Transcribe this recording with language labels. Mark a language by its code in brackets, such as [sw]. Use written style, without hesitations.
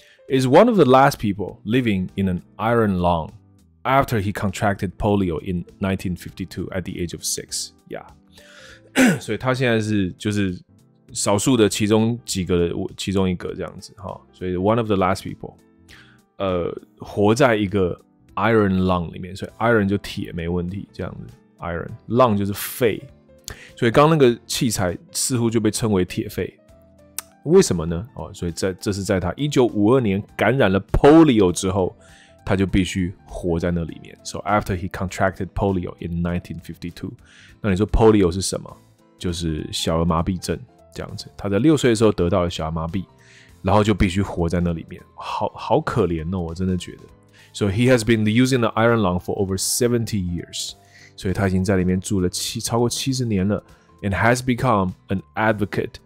[en] Is one of the last people living in an iron lung after he contracted polio in 1952 at the age of 6. Yeah. [zh] 所以他现在是就是少数的其中几个的其中一个这样子哈。所以 [en] one of the last people， [zh] 活在一个 iron lung 里面，所以 iron 就铁没问题这样子。 iron lung 就是肺，所以刚那个器材似乎就被称为铁肺。为什么呢？哦，所以这是在他1952年感染了 polio 之后，他就必须活在那里面。 [en] So after he contracted polio in 1952， [zh] 那你说 [en] polio 是什么？ [zh] 就是小儿麻痹症这样子。他在六岁的时候得到了小儿麻痹，然后就必须活在那里面，好可怜哦，我真的觉得。 [en] So he has been using the iron lung for over 70 years， [zh] 所以他已经在里面住了超过70年了 [en] ，and has become an advocate。